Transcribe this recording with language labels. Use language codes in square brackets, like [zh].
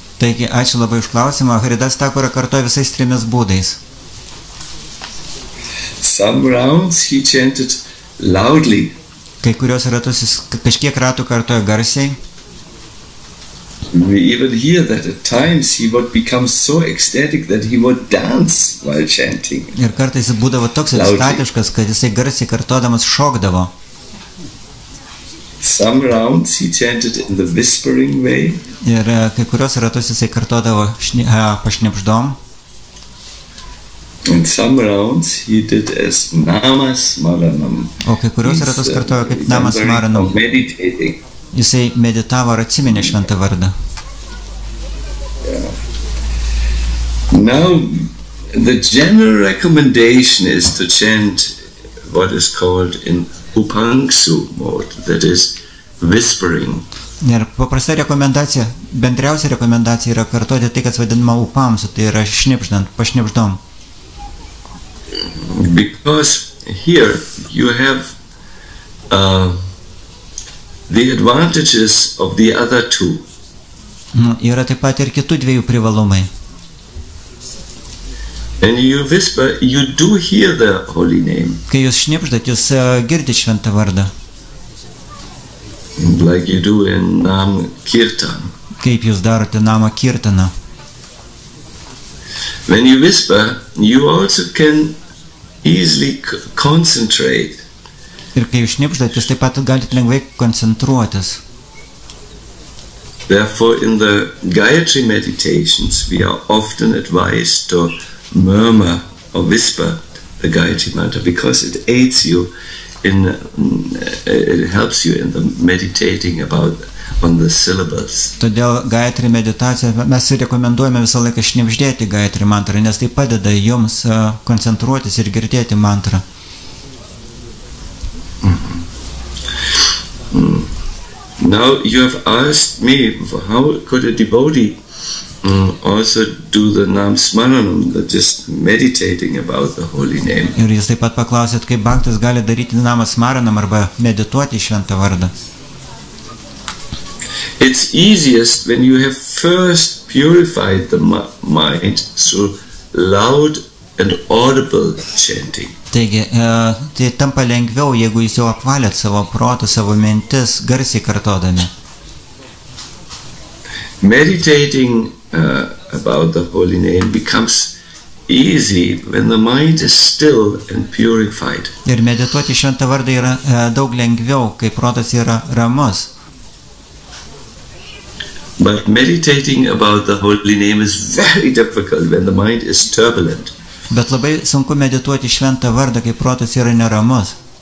[lt] Taigi, ačiū labai už klausimą. Hari Das Thakur kartoja visais trimis būdais. [en] Some rounds he chanted loudly. [lt] Kai kurios ratus jis kažkiek ratų kartoja garsiai. [en] We even hear that at times he would become so ecstatic that he would dance while chanting. [lt] Ir kartais jis būdavo toks ekstatiškas, kad jisai garsiai kartodamas šokdavo. [en] Some rounds he chanted in the whispering way. [lt] Ir kai kurios ratus jisai kartodavo pašnipždom. [en] And some rounds he did as namas maranam. [lt] O kai kurios ratus kartojo kaip namas maranam. [en] Meditating. [lt] Jisai meditavo ar atsiminė šventą vardą. [en] Yeah. Now, the general recommendation is to chant what is called in upangsu mode, that is whispering. [lt] Ir paprasta rekomendacija, bendriausia rekomendacija yra kartoti tai, kas vadinama upamsu, tai yra šnipždant, pašnipždom. [en] Because here you have the advantages of the other two. [lt] Yra taip pat ir kitų dviejų privalumai. [en] And you whisper, you do hear the holy name. [lt] Kai jūs šnipždat, jūs girdit šventą vardą. [en] Like you do in nam kirtan. [lt] Kaip jūs darote namą kirtaną. [en] When you whisper, you also can easily concentrate. [lt] Ir kai jūs šnipždat, jūs taip pat galite lengvai koncentruotis. [en] Therefore, in the Gayatri meditations, we are often advised to murmur or whisper the Gayatri mantra, because it aids you in, it helps you in the meditating about on the syllables. [lt] Todėl Gayatri meditacija, mes rekomenduojame visą laiką šnipždėti Gayatri mantrą, nes tai padeda jums koncentruotis ir girdėti mantrą. Mm-hmm. [en] Now you have asked me how could a devotee also do the nam smaranam, that just meditating about the holy name. [lt] Ir jūs taip pat paklausėt, kaip bhaktas gali daryti namą smaranam arba medituoti šventą vardą. [en] It's easiest when you have first purified the mind through loud and audible chanting. [lt] Taigi, tai tampa lengviau, jeigu jūs jau apvalėt savo protą, savo mintis, garsiai kartodami. [en] Meditating about the holy name becomes easy when the mind is still and purified. [lt] Ir medituoti šventą vardą yra daug lengviau, kai protas yra ramus. [en] But meditating about the holy name is very difficult when the mind is turbulent. [lt] Bet labai sunku medituoti šventą vardą, kai protas yra neramus.